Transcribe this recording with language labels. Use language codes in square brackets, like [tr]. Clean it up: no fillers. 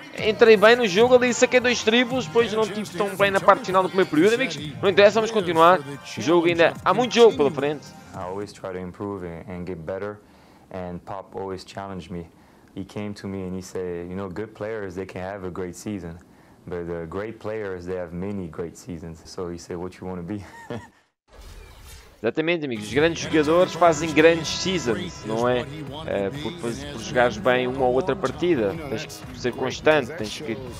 [pt] Entrei bem no jogo ali, saquei dois triplos. Depois não estive tão bem na parte final do primeiro período, amigos. Não interessa, vamos continuar. O jogo ainda. Há muito jogo pela frente. [en] I always try to improve and get better, and Pop always challenged me. He came to me and he said, you know, good players, they can have a great season, but the great players, they have many great seasons. So he said, what you want to be? [pt] Exatamente, amigos. Os grandes jogadores fazem grandes seasons, não é? Por jogares bem uma ou outra partida. Tens que ser constante, tens que...